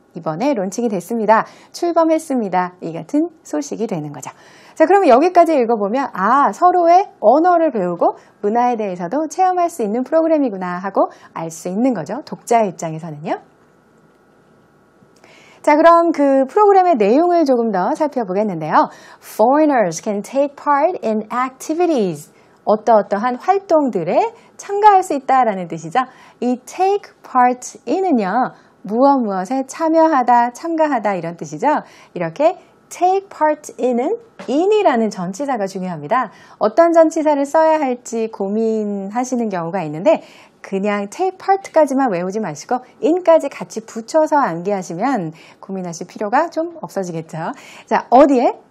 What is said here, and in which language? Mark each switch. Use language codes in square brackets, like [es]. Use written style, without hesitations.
[ko] 이번에 론칭이 됐습니다. 출범했습니다. 이 같은 소식이 되는 거죠. 자, 그러면 여기까지 읽어보면 아, 서로의 언어를 배우고 문화에 대해서도 체험할 수 있는 프로그램이구나 하고 알 수 있는 거죠. 독자 입장에서는요. 자, 그럼 그 프로그램의 내용을 조금 더 살펴보겠는데요. [en] Foreigners can take part in activities. [ko] 어떠어떠한 활동들에 참가할 수 있다라는 뜻이죠. 이 [en] take part in [ko] 은요. 무엇무엇에 참여하다, 참가하다 이런 뜻이죠. 이렇게 [en] take part in [ko] 은 in이라는 전치사가 중요합니다. 어떤 전치사를 써야 할지 고민하시는 경우가 있는데 그냥 [en] take part [ko] 까지만 외우지 마시고 in까지 같이 붙여서 암기하시면 고민하실 필요가 좀 없어지겠죠. 자, 어디에?